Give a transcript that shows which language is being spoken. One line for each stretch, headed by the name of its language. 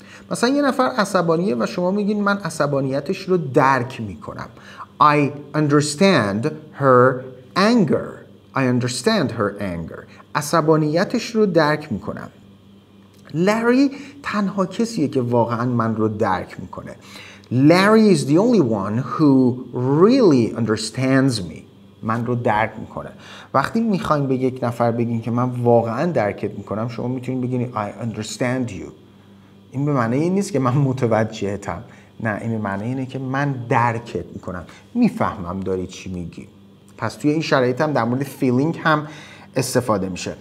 Persian: مثلا یه نفر عصبانیه و شما میگین من عصبانیتش رو درک میکنم.
English: I understand her anger. I understand her anger.
Persian: عصبانیتش رو درک میکنم. Larry تنها کسیه که واقعا من رو درک میکنه.
English: Larry is the only one who really understands me.
Persian: من رو درک میکنه. وقتی میخواین به یک نفر بگین که من واقعا درکت میکنم، شما میتونین بگین
English: I understand you.
Persian: این به معنی این نیست که من متوجهتم، نه، این به معنی اینه که من درکت میکنم، میفهمم داری چی میگی. پس توی این شرایط هم در مورد feeling هم استفاده میشه.